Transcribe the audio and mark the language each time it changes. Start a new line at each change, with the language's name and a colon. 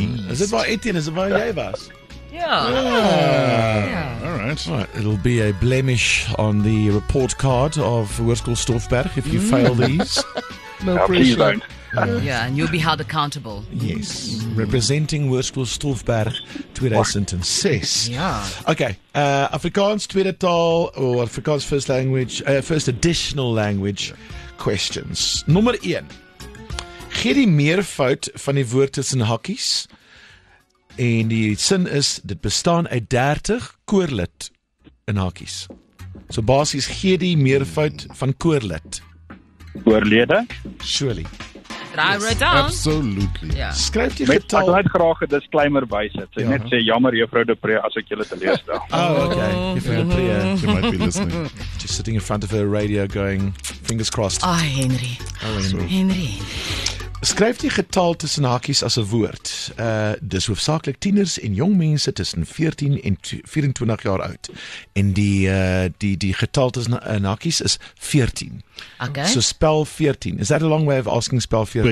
Afrikaans: Is dit waar Etienne, is dit waar jy was?
English: Yeah. All right. It'll be a blemish on the report card of Hoërskool Stoffberg if you fail these. No pressure. Please don't. Yeah, and you'll be held accountable. Yes. Representing Hoërskool Stoffberg 2006. Yeah. Okay.
Afrikaans: Afrikaans tweede taal
English: or Afrikaans first language, first additional language questions. Nummer 1.
Afrikaans: Gee die meervoud van die woord tussen hakkies. En die sin is dit bestaan uit 30 koorlid in hakkies. So basies gee die meervoud van koorlid. Koorlede?
English: Surely. Yes, absolutely. Yeah.
Afrikaans: Skryf die getal. Ek het graag 'n disclaimer bysit. Sy net sê jammer juffrou De Pre as ek julle teleurstel.
English: Oh, okay. Juffrou De Pre, she might be listening. Just sitting in front of her radio going fingers crossed. Ah, oh, Henry. Henry.
Afrikaans: Skryf die getal tussen hakies as 'n woord. Dis hoofsaaklik tieners en jong mense tussen 14 en 24 jaar oud. En die getal tussen hakies is 14.
English: Okay.
Afrikaans: So spel 14.
English: Is that a long way of asking spel 14?